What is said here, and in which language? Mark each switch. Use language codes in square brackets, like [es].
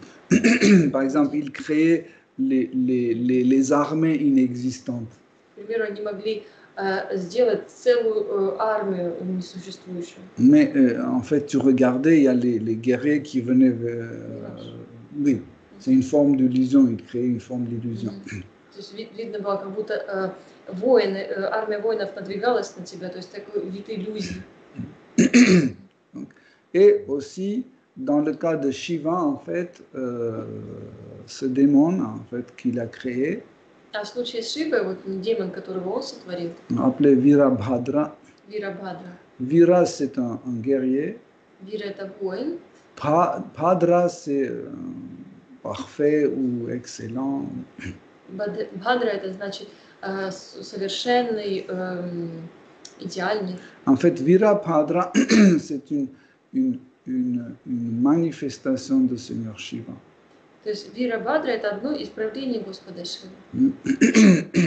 [fr] Par exemple, ils créaient les armées inexistantes. [ru] К примеру, они могли сделать целую армию несуществующую. [fr] Mais en fait, tu regardais, il y a les guerriers qui venaient. Oui, c'est une forme d'illusion. Ils créaient une forme d'illusion. [ru] То есть видно было, как будто воины, армия воинов надвигалась на тебя. То есть такой вид иллюзии. [fr] Et aussi dans le cas de Shiva, en fait, ce démon, en fait, qu'il a créé. [ru] А в случае с Шивой, вот демон, которого он сотворил. [fr] Appelé Virabhadra. Virabhadra. Vira, c'est un guerrier. [ru] Vira, это воин. [fr] Bhadra, c'est parfait ou excellent. [ru] Bhadra, это значит совершенный, идеальный. [fr] En fait, Virabhadra, c'est une manifestation de Seigneur Shiva. [ru] То есть Вирабхадра это одно из проявлений Господа Шивы.